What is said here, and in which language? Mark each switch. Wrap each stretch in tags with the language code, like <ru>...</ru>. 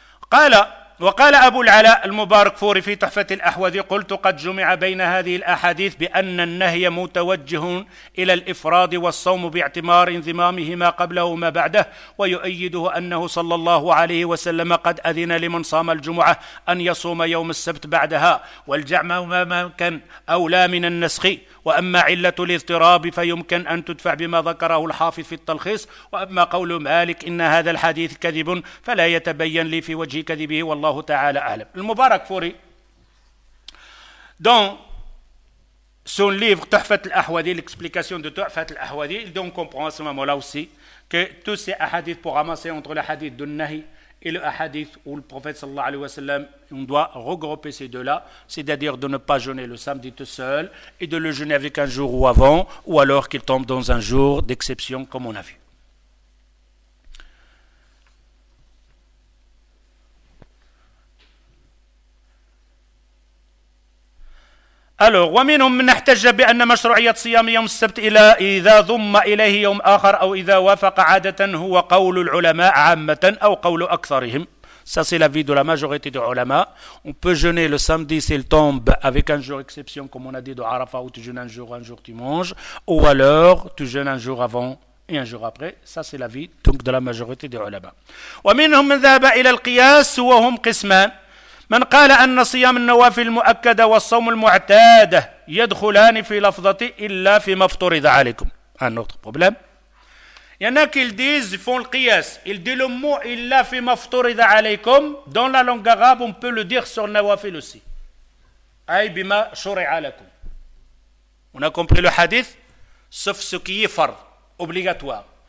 <ar>قَالَ وقال أبو العلاء المبارك فوري في تحفة الأحوذ قلت قد جمع بين هذه الأحاديث بأن النهي متوجه إلى الإفراد والصوم باعتبار انضمامه ما قبله وما بعده ويؤيده أنه صلى الله عليه وسلم قد أذن لمن صام الجمعة أن يصوم يوم السبت بعدها والجمع ما ممكن أولى من النسخ. وأما علة الاضطراب فيمكن أن تدفع بما ذكره الحافظ في التلخيص. وأما قول مالك إن هذا الحديث كذب فلا يتبين لي في وجه كذبه والله تعالى أعلم.</ar> <fr>المبارك فوري dans son livre تحفة الأحوذي l'explication de تحفة الأحوذي il donc comprend à ce moment-là aussi que tous ces hadiths pour ramasser entre le hadith du Nahi et le hadith où le prophète sallallahu alayhi wa sallam, on doit regrouper ces deux-là, c'est-à-dire de ne pas jeûner le samedi tout seul et de le jeûner avec un jour ou avant, ou alors qu'il tombe dans un jour d'exception, comme on a vu.</fr> <ar>Alors, ومنهم من احتج بأن مشروعية صيام يوم السبت إلى إذا ضم إليه يوم آخر أو إذا وافق عادة هو قول العلماء عامة أو قول أكثرهم.</ar> <fr>Ça c'est l'avis de la majorité des ulama. On peut jeûner le samedi s'il tombe avec un jour exception, comme on a dit de Arafa, où tu jeûnes un jour tu manges, ou alors tu jeûnes un jour avant et un jour après. Ça c'est l'avis donc de la majorité des ulama.</fr> <ar>ومنهم من ذهب إلى القياس وهم قسمان. من قال أن صيام النوافل المؤكدة والصوم المعتادة يدخلان في لفظة إلا في مفترض عليكم.</ar> <fr>Un autre problème. Il y en a qui disent, ils font le qiyas. Ils disent le mot</fr> <ar>illa fi mafturida alaykum.</ar> <fr>Dans la langue arabe, on peut le dire sur nawafil aussi.</fr> <ar>Aï bima shuri alaykum.</ar> <fr>On a compris le hadith, sauf ce qui est fard, obligatoire.</fr>